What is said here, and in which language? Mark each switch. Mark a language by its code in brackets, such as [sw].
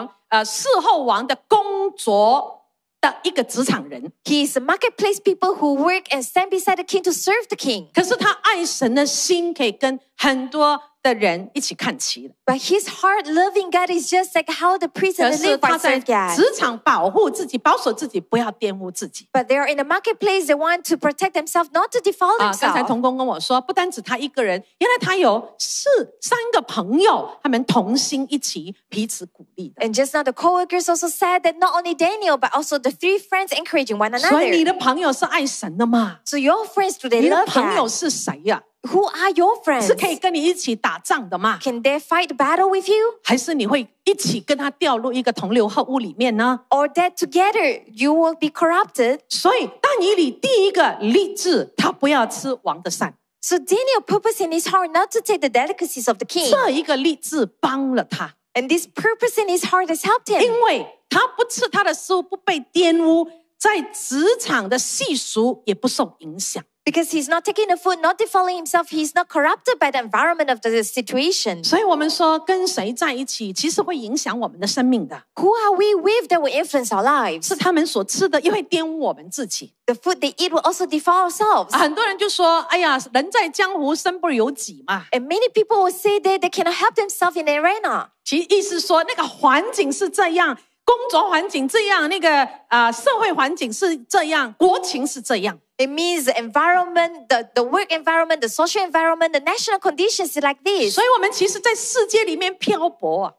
[zh] 他只是站在王旁边，侍立王，侍候王的工作。的一个职场人, [en] he is a marketplace people who work and stand beside the king to serve the king. [zh] 可是他爱神的心可以跟很多的人一起看齐了, [en] but his heart loving God is just like how the priest and the Levites serve God. [zh] 职场保护自己, 保守自己, 不要玷污自己, [en] but they are in the marketplace, they want to protect themselves, not to defile themselves. [zh] 刚才同工跟我说, 不单止他一个人, 原来他有三个朋友, 他们同心一起, 彼此鼓励的。 [en] And just now the co-workers also said that not only Daniel, but also the three friends encouraging one another. [zh] 所以你的朋友是爱神的吗? [en] So your friends, do they love God? [zh] 你的朋友是谁呀? [en] Who are your friends? [zh] 是可以跟你一起打仗的吗? [en] Can they fight battle with you? [zh] 还是你会一起跟他掉入一个同流合污里面呢? [en] Or that together you will be corrupted? [zh] 所以但以理第一个立志, 他不要吃王的膳。 [en] So Daniel purpose in his heart not to take the delicacies of the king. [zh] 这一个立志帮了他。 [en] And this purpose in his heart has helped him. [zh] 因为他不吃他的食物不被玷污,在职场的习俗也不受影响。 [en] Because he's not taking the food, not defiling himself, he's not corrupted by the environment of the situation. [zh] 所以我们说跟谁在一起其实会影响我们的生命的。 [en] Who are we with that will influence our lives? [zh] 是他们所吃的又会玷污我们自己。 [en] The food they eat will also defile ourselves. [zh] 很多人就说哎呀人在江湖身不由己嘛。 [en] And many people will say that they cannot help themselves in the arena. [zh] 其实意思说那个环境是这样工作环境这样那个、社会环境是这样国情是这样。 [en] It means the environment, the work environment, the social environment, the national conditions are like this. [zh] 所以我们其实在世界里面漂泊。